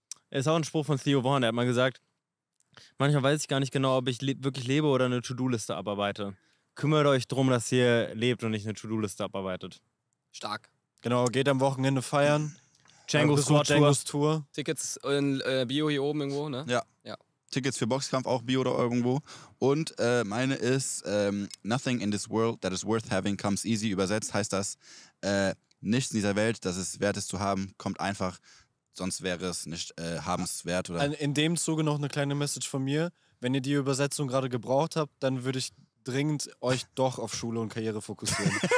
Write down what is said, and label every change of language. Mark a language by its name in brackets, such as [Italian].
[German] Es ist auch ein Spruch von Theo Vaughn, der hat mal gesagt, manchmal weiß ich gar nicht genau, ob ich wirklich lebe oder eine To-Do-Liste abarbeite. Kümmert euch drum, dass ihr lebt und nicht eine To-Do-Liste abarbeitet. Stark. Genau, geht am Wochenende feiern. Django's Tour. Tickets in Bio hier oben irgendwo, ne? Ja. Ja. Tickets für Boxkampf auch Bio oder irgendwo. Und meine ist, [English] nothing in this world that is worth having comes easy. [German] Übersetzt heißt das, nichts in dieser Welt, das es wert ist zu haben, kommt einfach. Sonst wäre es nicht habenswert. Oder? In dem Zuge noch eine kleine Message von mir. Wenn ihr die Übersetzung gerade gebraucht habt, dann würde ich dringend euch doch auf Schule und Karriere fokussieren.